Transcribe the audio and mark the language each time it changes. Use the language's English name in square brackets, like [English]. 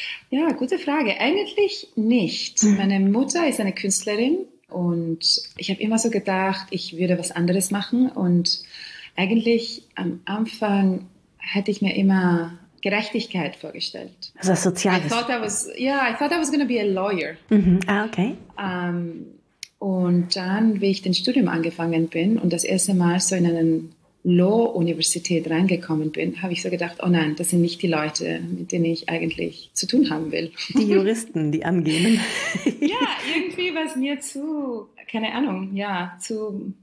[German] Ja, gute Frage. Eigentlich nicht. Hm. Meine Mutter ist eine Künstlerin und ich habe immer so gedacht, ich würde was anderes machen. Und eigentlich am Anfang hätte ich mir immer Gerechtigkeit vorgestellt. Also Soziales. [English] I thought I was going to be a lawyer. Mm-hmm. Ah, okay. [German] Und dann, wie ich den Studium angefangen bin und das erste Mal so in eine Law-Universität reingekommen bin, habe ich so gedacht, oh nein, das sind nicht die Leute, mit denen ich eigentlich zu tun haben will. Die Juristen, die angehen. Ja, irgendwie war es mir zu, keine Ahnung, ja, zu